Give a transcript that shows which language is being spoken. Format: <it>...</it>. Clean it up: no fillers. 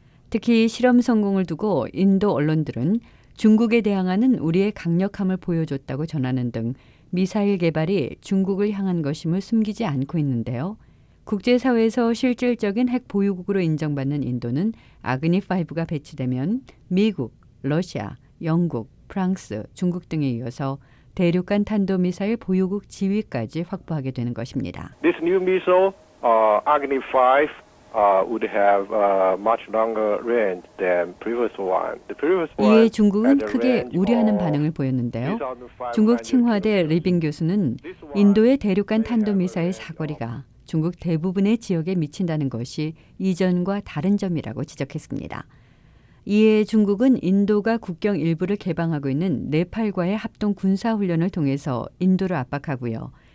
<ko>특히 실험 성공을 두고 인도 언론들은 중국에 대항하는 우리의 강력함을 보여줬다고 전하는 등 미사일 개발이 중국을 향한 것임을 숨기지 않고 있는데요. 국제사회에서 실질적인 핵 보유국으로 인정받는 인도는 아그니5가 배치되면 미국, 러시아, 영국, 프랑스, 중국 등에 이어서 대륙간 탄도미사일 보유국 지위까지 확보하게 되는 것입니다.</ko> <en>This new missile, Agni-5, would have much longer range than previous one. The previous one.</en> <ko>이에 중국은 크게 우려하는 반응을 보였는데요. 중국 칭화대 리빙 교수는 인도의 대륙간 탄도미사일 사거리가 중국 대부분의 지역에 미친다는 것이 이전과 다른 점이라고 지적했습니다. 이에 중국은 인도가 국경 일부를 개방하고 있는 네팔과의 합동 군사훈련을 통해서 인도를 압박하고요.</ko>